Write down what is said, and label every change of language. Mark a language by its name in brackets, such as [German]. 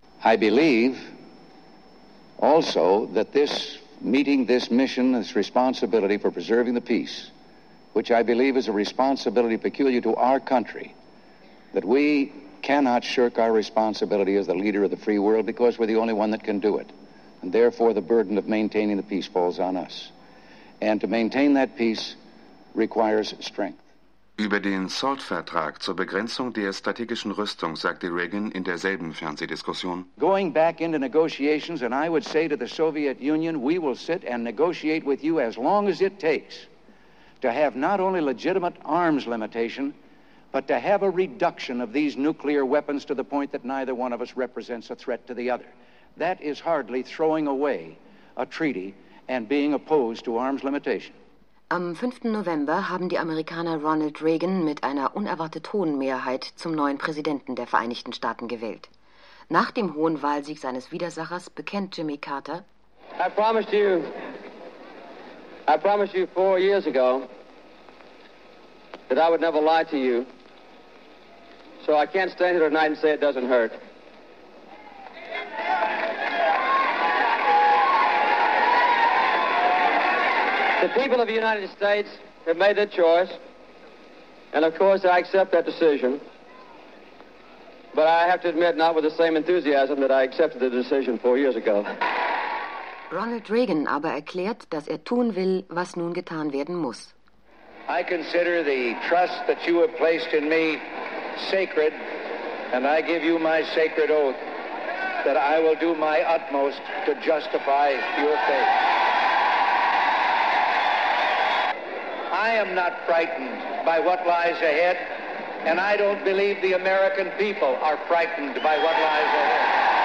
[English] I believe also that this meeting, this mission, this responsibility for preserving the peace, which I believe is a responsibility peculiar to our country, that we cannot shirk our responsibility as the leader of the free world because we're the only one that can do it. And therefore, the burden of maintaining the peace falls on us. And to maintain that peace requires strength. [German] Über den SALT-Vertrag zur Begrenzung der strategischen Rüstung sagte Reagan in derselben Fernsehdiskussion: [English] Going back into negotiations, and I would say to the Soviet Union, we will sit and negotiate with you as long as it takes to have not only legitimate arms limitation, but to have a reduction of these nuclear weapons to the point that neither one of us represents a threat to the other. That is hardly throwing away a treaty and being opposed to arms limitation. [German] Am 5. November haben die Amerikaner Ronald Reagan mit einer unerwartet hohen Mehrheit zum neuen Präsidenten der Vereinigten Staaten gewählt. Nach dem hohen Wahlsieg seines Widersachers bekennt Jimmy Carter: [English] I promised you 4 years ago that I would never lie to you. So I can't stand here tonight and say it doesn't hurt. The people of the United States have made their choice, and of course I accept that decision, but I have to admit not with the same enthusiasm that I accepted the decision 4 years ago. [German] Ronald Reagan aber erklärt, dass tun will, was nun getan werden muss. [English] I consider the trust that you have placed in me sacred, and I give you my sacred oath that I will do my utmost to justify your faith. I am not frightened by what lies ahead, and I don't believe the American people are frightened by what lies ahead.